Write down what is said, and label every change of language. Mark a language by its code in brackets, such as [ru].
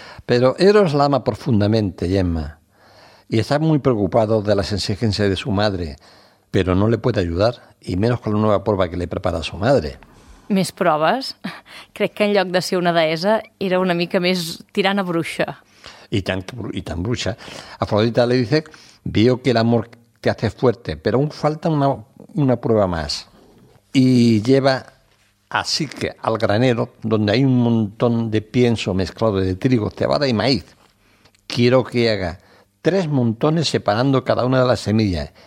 [es] Pero Eros la ama profundamente, Gemma, y está muy preocupado de las exigencias de su madre, pero no le puede ayudar, y menos con la nueva prueba que le prepara su madre. [ca] ¿Més proves? Crec que en lloc de ser una deessa, era una mica més tirana bruixa. [es] Y tan bruixa. Afrodita le dice, veo que el amor te hace fuerte, pero aún falta una prueba más. Y lleva así que al granero, donde hay un montón de pienso mezclado de trigo, cebada y maíz. Quiero que haga 3 montones separando cada una de las semillas.